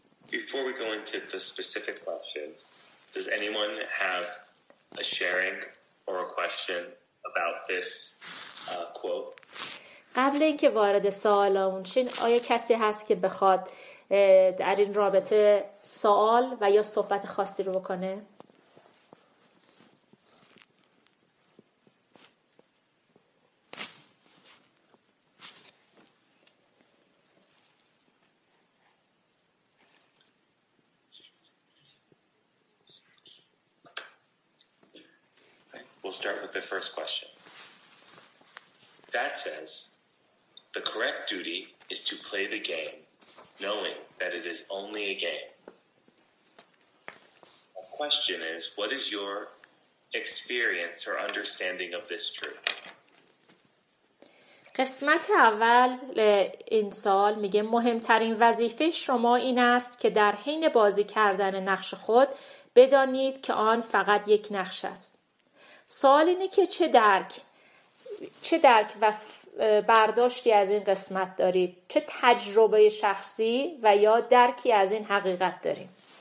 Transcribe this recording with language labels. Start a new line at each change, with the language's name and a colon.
English: before we go into the specific questions, does anyone have a sharing or a question about this quote?
Persian: قبل اینکه وارد سوال اون شین، آیا کسی هست که بخواد در این رابطه سوال و یا صحبت خاصی رو بکنه؟
English: We'll start with the first question. That says, the correct duty is to play the game, knowing that it is only a game. The question is, what is your experience or understanding of this truth?
Persian: قسمت اول این سوال میگه مهمترین وظیفه شما این است که در حین بازی کردن نقش خود بدانید که آن فقط یک نقش است. سوال اینه که چه درک و برداشتی از این قسمت دارید؟ چه تجربه شخصی و یا درکی از این حقیقت دارید؟